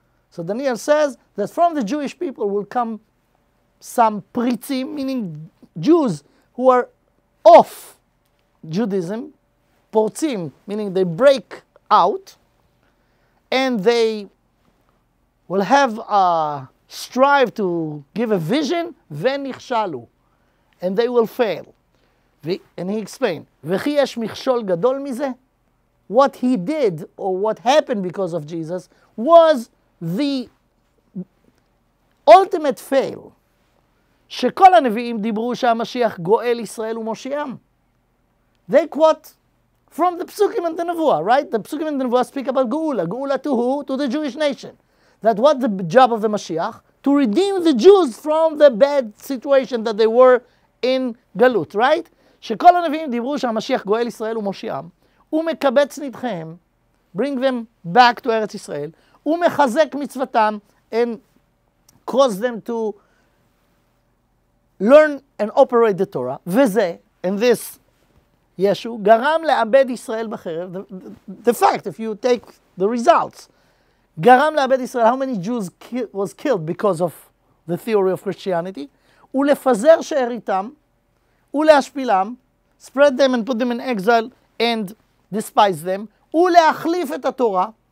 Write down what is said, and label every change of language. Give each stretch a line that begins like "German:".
English: So Daniel says that from the Jewish people will come some pritzim, meaning Jews who are off Judaism, portzim, meaning they break out, and they will have a strive to give a vision, ve'nichshalu, and they will fail. And he explained,
Hebrew: v'chi yesh michshol gadol mizeh?
English: What he did, or what happened because of Jesus, was the ultimate fail.
Hebrew: שכל הנביאים דיברו שהמשיח גואל ישראל ומושיעם.
English: They quote from the Psukim and the Nevuah, right? The Psukim and the Nevuah speak about Geula. Geula to who? To the Jewish nation. That what the job of the Mashiach? To redeem the Jews from the bad situation that they were in Galut, right?
Hebrew: שכל הנביאים דיברו שהמשיח גואל ישראל ומושיעם. ומקבץ נדחיהם.
English: Bring them back to ארץ ישראל.
Hebrew: ומחזק מצוותם.
English: And cause them to learn and operate the Torah, וזה, and this, Yeshu,
Hebrew: גרם לאבד ישראל בחרב,
English: the fact, if you take the results, גרם לאבד ישראל, how many Jews was killed because of the theory of Christianity,
Hebrew: ולפזר שאריתם, ולהשפילם,
English: spread them and put them in exile, and despise them,
Hebrew: ולהחליף את התורה,